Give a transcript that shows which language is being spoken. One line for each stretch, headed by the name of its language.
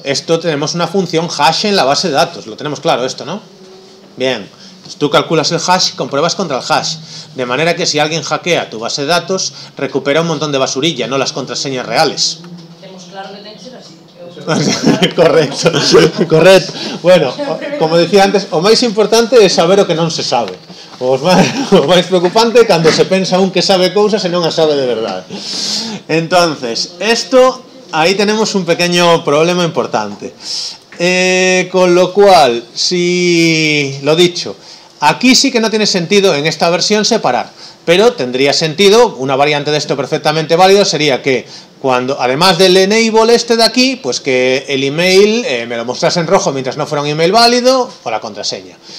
Spanish: Esto tenemos una función hash en la base de datos, lo tenemos claro esto, ¿no? Bien, entonces tú calculas el hash y compruebas contra el hash. De manera que si alguien hackea tu base de datos, recupera un montón de basurilla, no las contraseñas reales. Tenemos claro que tiene que ser así. Correcto, correcto.
Galician: Bueno, como decía antes, o máis importante é saber o que non se sabe. O máis preocupante cando se pensa un que sabe cousas e non a sabe de verdade.
Spanish: Entonces, esto, aí tenemos un pequeño problema importante. Con lo cual, si lo dicho, aquí sí que no tiene sentido en esta versión separar, pero tendría sentido, una variante de esto perfectamente válido sería que cuando, además del enable este de aquí, pues que el email me lo mostrase en rojo mientras no fuera un email válido o la contraseña.